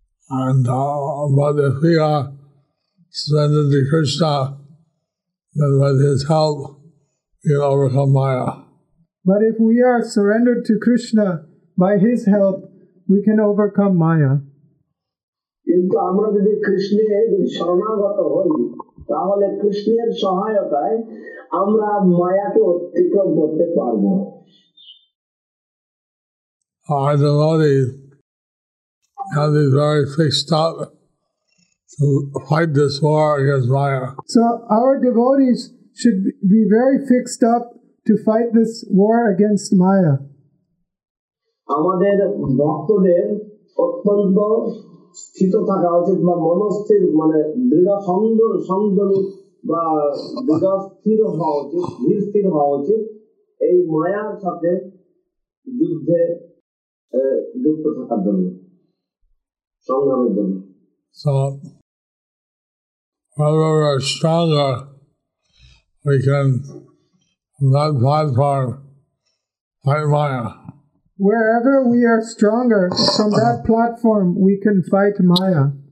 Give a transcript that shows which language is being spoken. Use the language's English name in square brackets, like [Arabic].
[English] And but if we are surrendered to Krishna, then with his help, we'll overcome Maya. But if we are surrendered to Krishna, by his help, we can overcome Maya. [Bangla] কিন্তু আমরা যদি কৃষ্ণে শরণাগত হই তাহলে কৃষ্ণের সহায়তায় আমরা মায়াকে অতিক্রম করতে পারব। [English] Our devotees have been very fixed up to fight this war against Maya. So our devotees should be very fixed up to fight this war against Maya. [Bangla] আমাদের ভক্তদের অত্যন্ত স্থিত থাকা উচিত বা মনস্থির মানে দৃঢ় সুন্দর সংযমী বা দৃঢ় স্থির হওয়া উচিত, ধীর স্থির হওয়া উচিত এই মায়ার সাথে যুদ্ধে যুক্ত থাকার জন্য, সংগ্রামের জন্য। [English] So, however stronger we can not fall for Maya. Wherever we are stronger, from that platform we can fight Maya.